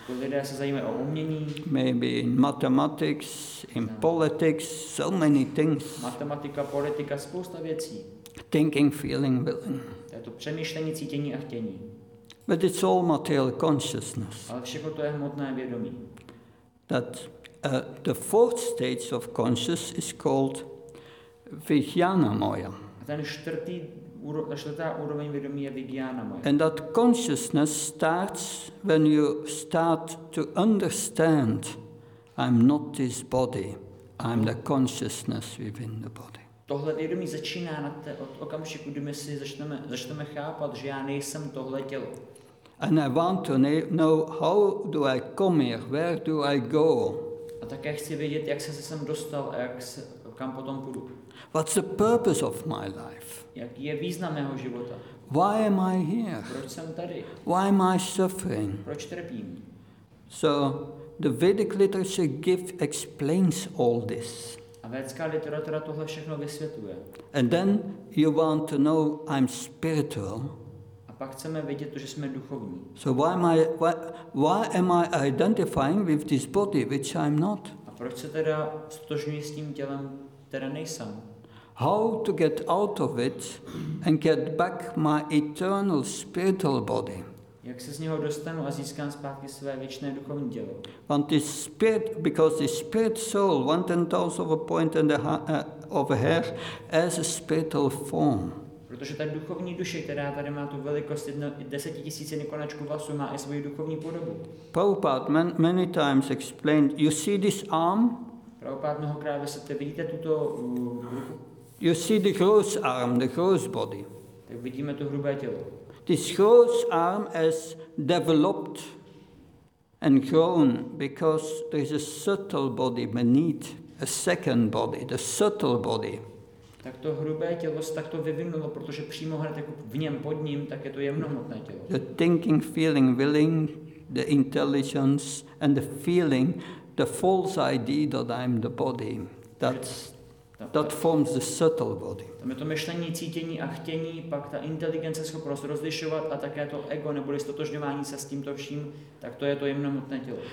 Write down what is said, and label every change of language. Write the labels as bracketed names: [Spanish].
[Czech] Lidé se zajímají o umění. [English] Maybe in mathematics, in politics, so many things. [Czech] Matematika, politika, spousta věcí. [English] Thinking, feeling, willing. [Czech] To je to přemýšlení, cítění a chtění. [English] But it's all material consciousness. [Czech] Ale všechno to je hmotné vědomí. [English] That the fourth stage of consciousness is called vijnanamoya. [Czech] Ten čtvrtá úroveň vědomí je vijnanamoya. [English] And that consciousness starts when you start to understand, I'm not this body, I'm the consciousness within the body. [Czech] Tohle vědomí začíná od okamžiku, kdy my si začneme chápat, že já nejsem tohle tělo. [English] And I want to know how do I come here? Where do I go? [Czech] A také chci vědět, jak jsem se sem dostal, kam potom půjdu. [English] What's the purpose of my life? [Czech] Jaký je význam mého života? [English] Why am I here? [Czech] Proč jsem tady? [English] Why am I suffering? [Czech] Proč trpím? [English] So the Vedic literature explains all this. [Czech] A védská literatura tohle všechno vysvětluje. [English] And then you want to know I'm spiritual. [Czech] Pak chceme vědět, že jsme duchovní. [English] So why am I identifying with this body which I'm not? [Czech] A proč se teda stotožňuji s tím tělem, které nejsem? [English] How to get out of it and get back my eternal spiritual body? [Czech] Jak se z něho dostanu a získám zpátky své věčné duchovní tělo? [English] Want this spirit, because this spirit soul, 1/10 of a point and of a hair, as a spiritual form. [Czech] Protože ta duchovní duše, která tady má tu velikost 10 000 konečků vlasů, má i svoji duchovní podobu. [English] Prabhupada many times explained, you see this arm? [Czech] Prabhupada mnohokrát vysvětlil, vidíte tuto ruku? [English] You see the gross arm, the gross body. [Czech] Tak vidíme to hrubé tělo. [English] This gross arm has developed and grown because there is a subtle body beneath, a second body, the subtle body. [Czech] Tak to hrubé tělo se takto vyvinulo, protože přímo hned jako v něm pod ním, tak je to jemnohmotné tělo. [English] The thinking, feeling, willing, the intelligence and the feeling, the false idea that I'm the body, that forms the subtle body. [Czech] Tam je to myšlení, cítění a chtění, pak ta inteligence schopnost rozlišovat a také to ego nebo stotožňování se s tímto vším, tak to je to jemnohmotné tělo.